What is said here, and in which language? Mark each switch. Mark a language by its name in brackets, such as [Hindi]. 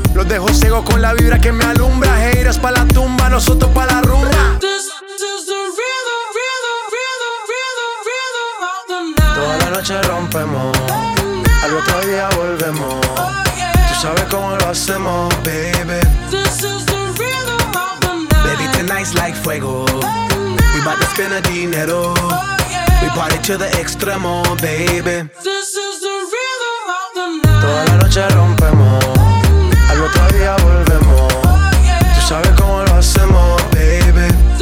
[Spanish] Los dejo ciego con la vibra que me alumbra. Haters pa' la tumba, nosotros pa' la rumba. Noche rompemos, al otro día volvemos. [English] Oh, yeah. [Spanish] Tú sabes cómo lo hacemos, baby. [English] This is the rhythm of the night. Baby, tonight's like fuego. Tonight. We bout to spend a dinero. Oh, yeah. We party to the extremo, baby. This is the rhythm of the night. [Spanish] Toda la noche rompemos, [English] tonight. [Spanish] Al otro día volvemos. [English] Oh, yeah. [Spanish] Tú sabes cómo lo hacemos, baby.